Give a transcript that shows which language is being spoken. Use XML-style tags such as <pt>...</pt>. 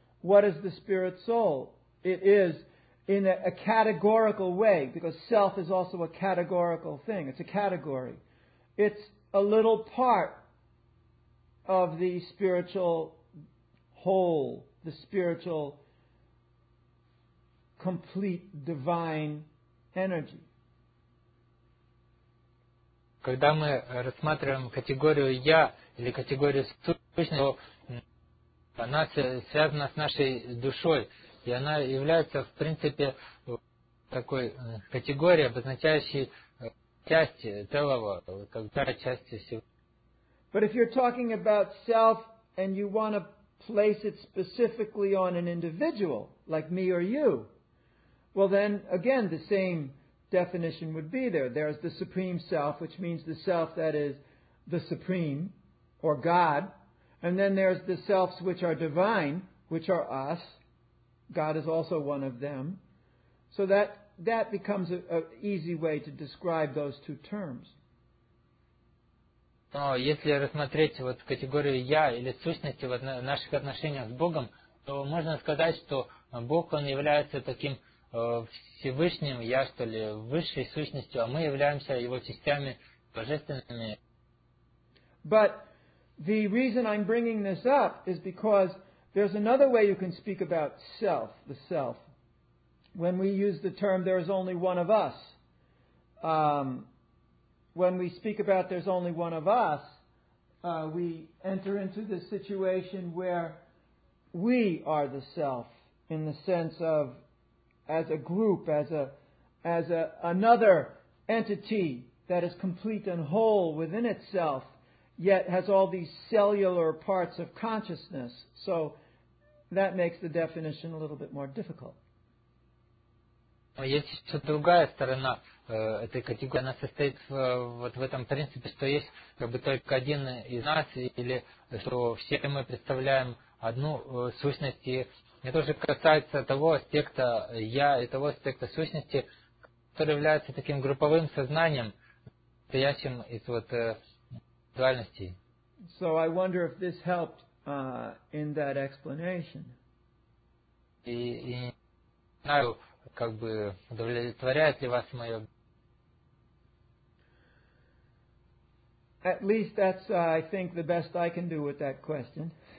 <en>what is the spirit soul? It is in a categorical way, because self is also a categorical thing. It's a category. It's a little part of the spiritual whole, the spiritual complete divine energy.</en> <ru>Когда мы рассматриваем категорию «я» или категорию сущности, то она связана с нашей душой, и она является, в принципе, такой категорией, обозначающей части целого, как части всего.</ru> <en>But if you're talking about self and you want to place it specifically on an individual, like me or you, well then, again, the same definition would be there. There is the Supreme Self, which means the Self that is the Supreme, or God. And then there's the Selfs which are divine, which are us. God is also one of them. So that becomes a easy way to describe those two terms.</en> <ru>Но если рассмотреть вот категорию «я» или сущности в наших отношениях с Богом, то можно сказать, что Бог, Он является таким Всевышним Я, что ли, высшей сущностью, а мы являемся Его частями божественными.</ru> <en>But the reason I'm bringing this up is because there's another way you can speak about self, the self. When we use the term there is only one of us, when we speak about there's only one of us, we enter into this situation where we are the self in the sense of as a group, as a another entity that is complete and whole within itself, yet has all these cellular parts of consciousness. So that makes the definition a little bit more difficult.</en> <ru>Есть еще другая сторона этой категории. Она состоит вот в этом принципе, что есть как бы только один из нас, или что все мы представляем одну сущность. И это уже касается того аспекта «я» и того аспекта сущности, который является таким групповым сознанием, состоящим из вот дуальностей.</ru> <en>So I wonder if this helped in that explanation.</en> <ru>И не знаю, как бы удовлетворяет ли вас мое...</ru> <en>At least that's, I think, the best I can do with that question.</en>